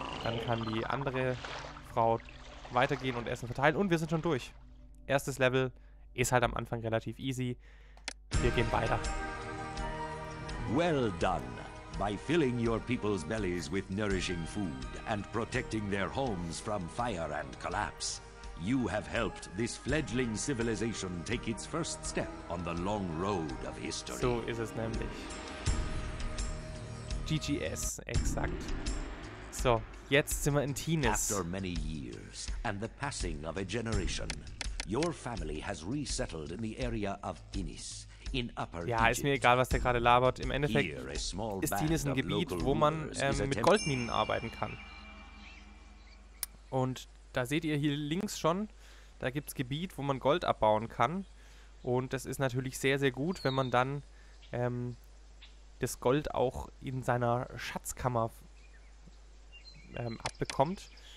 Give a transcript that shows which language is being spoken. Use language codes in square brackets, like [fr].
[de] Dann kann die andere Frau weitergehen und Essen verteilen. Und wir sind schon durch. Erstes Level ist halt am Anfang relativ easy. Wir gehen weiter. [en] Well done. By filling your people's bellies with nourishing food and protecting their homes from fire and collapse, you have helped this fledgling civilization take its first step on the long road of history. [de] So ist es nämlich. GGS, exakt. So, jetzt sind wir in Tinis. [en] After many years and the passing of a generation, your family has resettled in the area of Tinis. [de] Ja, ist mir egal, was der gerade labert. Im Endeffekt ist Tinis ein Gebiet, wo man mit Goldminen arbeiten kann. Und da seht ihr hier links schon, da gibt es Gebiet, wo man Gold abbauen kann. Und das ist natürlich sehr, sehr gut, wenn man dann das Gold auch in seiner Schatzkammer abbekommt.